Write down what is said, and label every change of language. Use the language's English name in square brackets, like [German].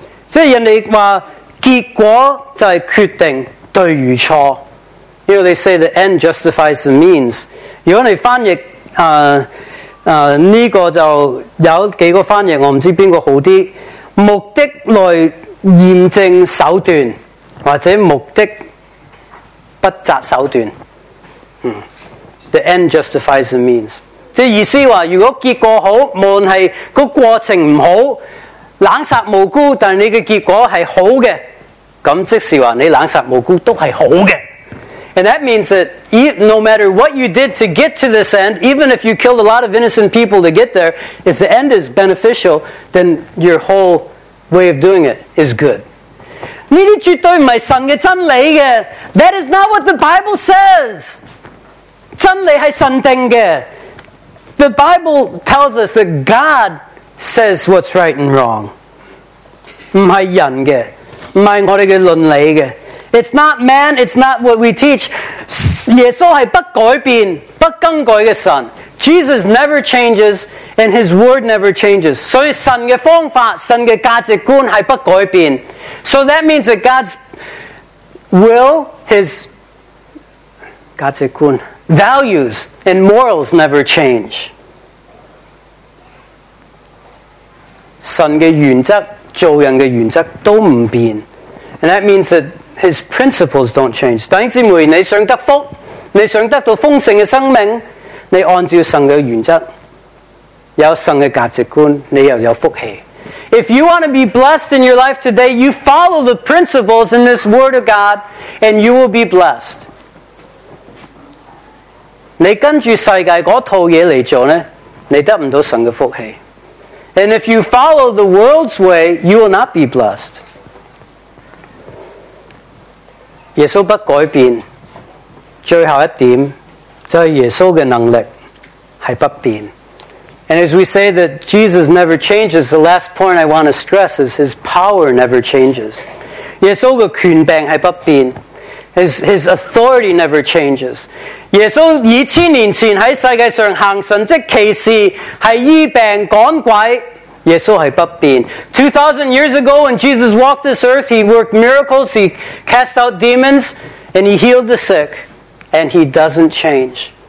[Chinese] 即是人家说结果就是决定对与错。 [English] You know, they say the end justifies the means. [Chinese] 如果你翻译这个就有几个翻译，我不知道哪个好一点。目的来验证手段，或者目的不择手段。 [English] The end justifies the means. [Chinese] 即意思说如果结果好，无论是个过程不好，冷杀无辜，但你的结果是好的，那即是说你冷杀无辜都是好的。 [English] And that means that no matter what you did to get to this end, even if you killed a lot of innocent people to get there, if the end is beneficial, then your whole way of doing it is good. [Chinese] 这些绝对不是神的真理的。 [English] That is not what the Bible says. [Chinese] 真理是神定的。 [English] The Bible tells us that Godsays what's right and wrong. [Chinese] 不是人的，不是我们的伦理的。 [English] It's not man, it's not what we teach. [Chinese] 耶稣是不改变不更改的神。 [English] Jesus never changes and his word never changes. [Chinese] 所以神的方法神的价值观是不改变。 [English] So that means that God's will, his 价值观 values and morals never change. [Chinese] 神的原则做人的原则都不变。 [English] And that means that his principles don't change. [Chinese] 弟兄姊妹，你想得福，你想得到丰盛的生命，你按照神的原则，有神的价值观，你又有福气。 [English] If you want to be blessed in your life today, you follow the principles in this word of God and you will be blessed. [Chinese] 你跟着世界那套东西来做呢，你得不到神的福气。 [English] And if you follow the world's way, you will not be blessed. [Chinese] 耶稣不改变，最后一点就是耶稣的能力是不变。 [English] And as we say that Jesus never changes, the last point I want to stress is his power never changes. [Chinese] 耶稣的权柄是不变， [English] his authority never changes. [Chinese] 耶稣以千年前在世界上行神迹奇事，是医病赶鬼，耶稣是不变。 [English] 2,000 years ago when Jesus walked this earth, he worked miracles, he cast out demons, and he healed the sick, and he doesn't change.